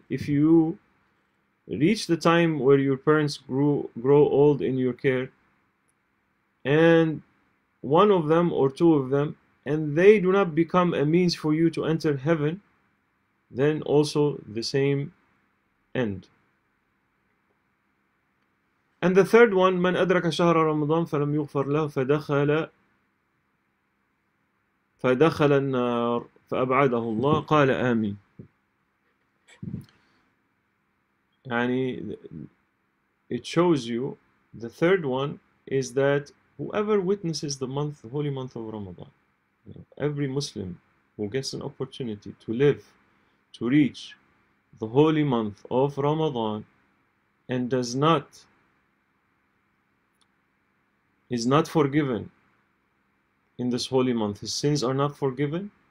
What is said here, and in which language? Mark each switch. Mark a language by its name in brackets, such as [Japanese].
[English] If you reach the time where your parents grow old in your care, and one of them or two of them, and they do not become a means for you to enter heaven, then also the same end. And the third one, [Arabic] من أدرك شهر رمضان فلم يغفر له فدخل النار فأبعده الله قال آمين. [English] يعني it shows you, the third one is that whoever witnesses the month, the holy month of Ramadan, every Muslim who gets an opportunity to live, to reach the holy month of Ramadan, and is not forgiven in this holy month, his sins are not forgiven,